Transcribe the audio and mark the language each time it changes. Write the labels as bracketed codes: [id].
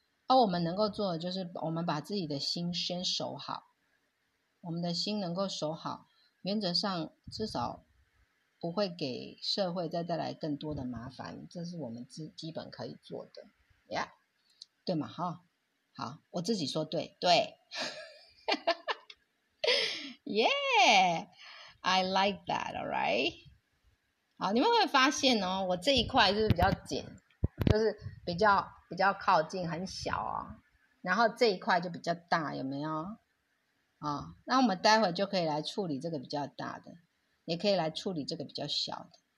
[zh] 而、哦、我们能够做的就是，我们把自己的心先守好，我们的心能够守好，原则上至少不会给社会再带来更多的麻烦，这是我们基本可以做的。呀、yeah, 对嘛齁、哦、好，我自己说对对。 [en] Yeah, I like that, alright? [zh] 好，你们会发现哦，我这一块就是比较紧，就是比较靠近很小哦，然后这一块就比较大，有没有啊、哦、那我们待会就可以来处理这个比较大的，也可以来处理这个比较小的。